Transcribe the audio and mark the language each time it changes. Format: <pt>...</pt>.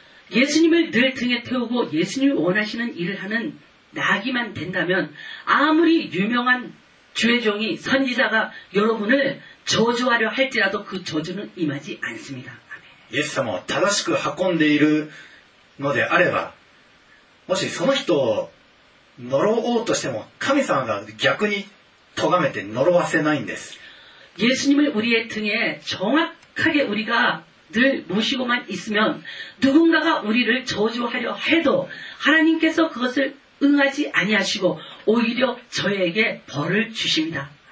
<ko>예수님을 늘 등에 태우고 예수님이 원하시는 일을 하는 나귀만 된다면 아무리 유명한 주의종이 선지자가 여러분을 저주하려 할지라도 그 저주는 임하지 않습니다.</ko> <ja>예수様を正しく運んでいるのであればもしその人を呪おうとしても神様が逆に咎めて呪わせないんです。</ja> <ko>예수님을 우리의 등에 정확하게 우리가 늘 모시고만 있으면 누군가가 우리를 저주하려 해도 하나님께서 그것을 응하지 아니하시고 오히려 저에게 벌을 주십니다.</ko>